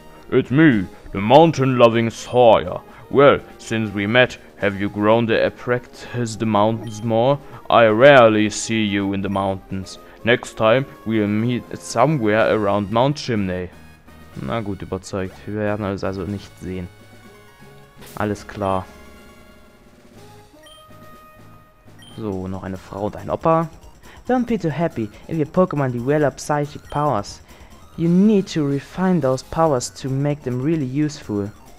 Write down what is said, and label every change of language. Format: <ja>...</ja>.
<en>It's me, the mountain-loving Sawyer. Well, since we met, have you grown to practice the mountains more? I rarely see you in the mountains. Next time, we'll meet somewhere around Mount Chimney.</en> <de>Na gut, überzeugt. Wir werden uns also nicht sehen. Alles klar. So, noch eine Frau und ein Opa.</de> <en>Don't be too happy if your Pokémon develop psychic powers. You need to refine those powers to make them really useful.</en>